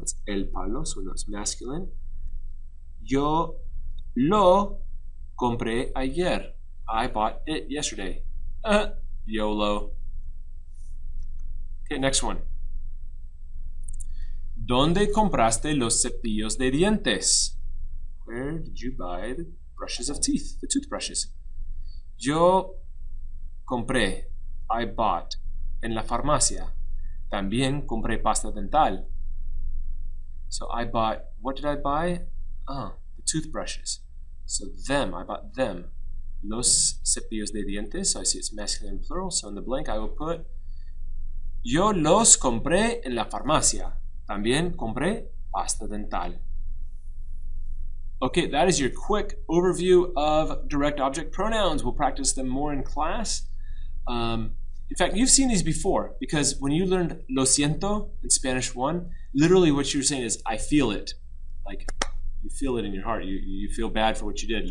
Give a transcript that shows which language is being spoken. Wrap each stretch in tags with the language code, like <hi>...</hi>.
<en>It's el palo, so no, it's masculine.</en> <es>Yo lo compré ayer.</es> <en>I bought it yesterday. YOLO. Okay, next one.</en> <es>¿Dónde compraste los cepillos de dientes?</es> <en>Where did you buy the brushes of teeth, the toothbrushes?</en> <es>Yo compré,</es> <en>I bought,</en> <es>en la farmacia. También compré pasta dental.</es> <en>So I bought, what did I buy? Ah, the toothbrushes. So them, I bought them.</en> <es>Los cepillos de dientes,</es> <en>so I see it's masculine and plural, so in the blank I will put,</en> <es>yo los compré en la farmacia. También compré pasta dental.</es> <en>Okay, that is your quick overview of direct object pronouns. We'll practice them more in class. In fact, you've seen these before because when you learned lo siento in Spanish 1, literally what you were saying is, I feel it. Like, you feel it in your heart. You feel bad for what you did.</en>